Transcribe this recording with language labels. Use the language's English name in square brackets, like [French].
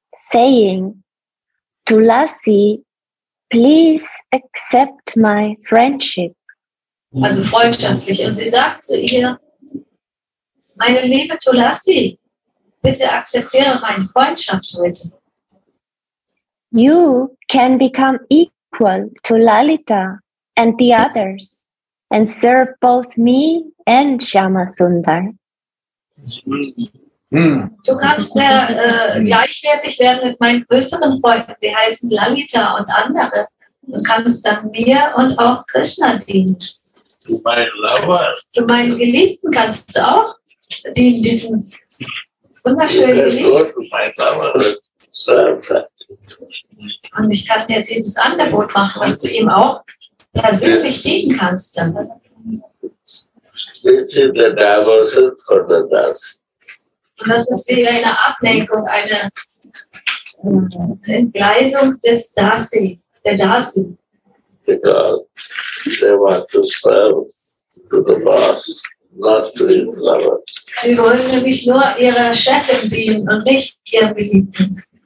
[English] Saying, Tulasi, please accept my friendship. [German] Also freundschaftlich. Und sie sagt zu ihr, meine liebe Tulasi, bitte akzeptiere meine Freundschaft heute. [English] You can become equal to Lalita and the others and serve both me and Shyamasundar. [German] Du kannst gleichwertig werden mit meinen größeren Freunden, die heißen Lalita und andere. Du kannst dann mir und auch Krishna dienen. [English] My lover. [German] Zu meinen Geliebten kannst du auch dienen, diesen wunderschönen Geliebten. Und ich kann dir dieses Angebot machen, dass du ihm auch persönlich dienen kannst. [English] This is the diversion for the dust. [German] Und das ist wie eine Ablenkung, eine Entgleisung des Dasi, der Dasi. [English] Because they want to serve to the boss, not to his lover. [German] Sie wollen nämlich nur ihrer Chefin dienen und nicht ihrem Geliebten.